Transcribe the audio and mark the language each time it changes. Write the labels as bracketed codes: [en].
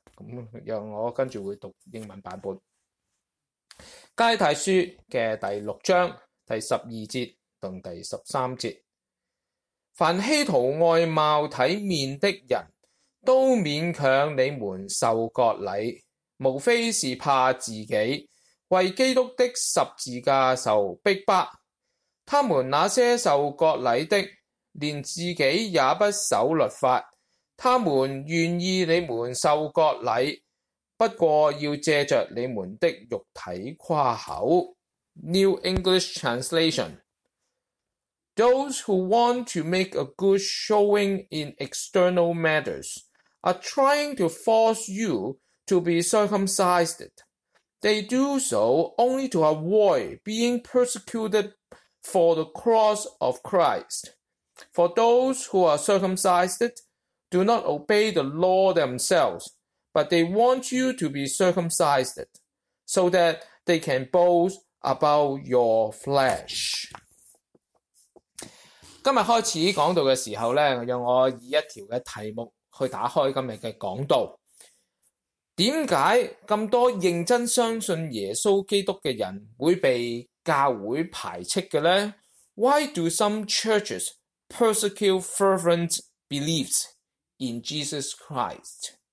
[yue] 咁让我跟住会读英文版本《加拉太书》嘅第六章第十二节同第十三节，凡希图外貌体面的人，都勉强你们受割礼，无非是怕自己为基督的十字架受逼迫。他们那些受割礼的，连自己也不守律法。他们愿意你们受割礼，不过要借着你们的肉体夸口。 [en] New English Translation. Those who want to make a good showing in external matters are trying to force you to be circumcised. They do so only to avoid being persecuted for the cross of Christ. For those who are circumcised,do not obey the law themselves, but they want you to be circumcised so that they can boast about your flesh. [yue] 今日开始讲道嘅时候咧，让我以一条嘅题目去打开今日嘅讲道。点解咁多认真相信耶稣基督嘅人会被教会排斥嘅咧？ Why do some churches persecute fervent beliefs in Jesus Christ？